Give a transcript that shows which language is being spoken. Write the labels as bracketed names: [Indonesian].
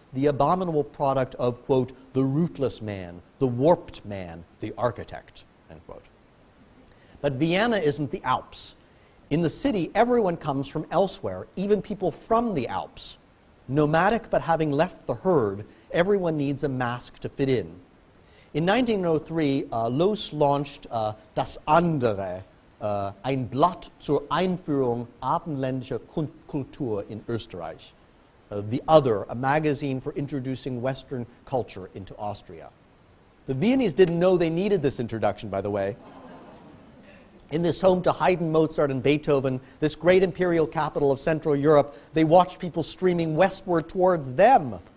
[English] the abominable product of, quote, the rootless man, the warped man, the architect, end quote. But Vienna isn't the Alps. In the city, everyone comes from elsewhere, even people from the Alps. Nomadic but having left the herd, everyone needs a mask to fit in. In 1903, Loos launched [German] Das Andere, ein Blatt zur Einführung abendländischer Kultur in Österreich. [English] The Other, a magazine for introducing Western culture into Austria. The Viennese didn't know they needed this introduction, by the way. In this home to Haydn, Mozart, and Beethoven, this great imperial capital of Central Europe, they watched people streaming westward towards them.